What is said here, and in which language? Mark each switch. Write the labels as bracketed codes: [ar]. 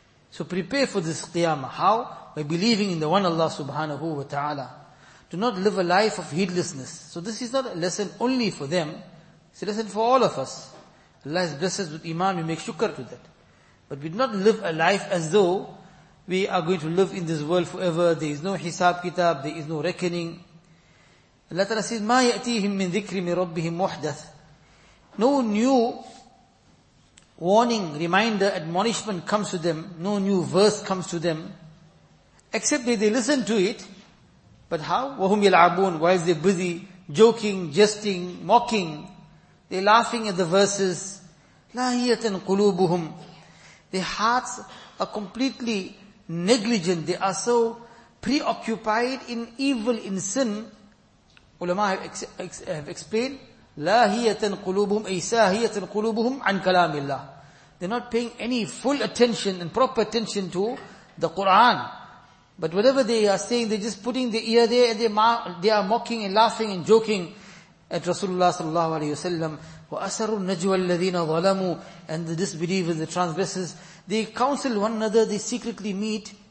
[en] So prepare for this qiyamah. How? By believing in the one Allah subhanahu wa ta'ala. Do not live a life of heedlessness. So this is not a lesson only for them. It's a lesson for all of us. Allah has blessed us with iman. We make shukr to that. But we do not live a life as though we are going to live in this world forever. There is no hisab kitab. There is no reckoning. Allah ta'ala says, [ar] مَا يَأْتِيهِمْ مِنْ ذِكْرِ مِنْ رَبِّهِمْ مُحْدَثٍ. [en] No new warning, reminder, admonishment comes to them. No new verse comes to them. Except that they listen to it. But how? [ar] وَهُمْ يَلْعَبُونَ. [en] Why is they busy? Joking, jesting, mocking. They're laughing at the verses. [ar] لَاهِيَةً قُلُوبُهُمْ. [en] Their hearts are completely negligent. They are so preoccupied in evil, in sin. Ulama have explained, [ar] لَاهِيَةً قُلُوبُهُمْ أَيْسَاهِيَةً قُلُوبُهُمْ عَنْ كَلَامِ اللَّهِ. [en] They're not paying any full attention and proper attention to the Quran. But whatever they are saying, they're just putting the ear there and they are mocking and laughing and joking at Rasulullah sallallahu alayhi wa sallam. [ar] وَأَسَرُوا النَّجْوَى الَّذِينَ ظَلَمُوا. [en] And the disbelievers, the transgressors, they counsel one another, they secretly meet.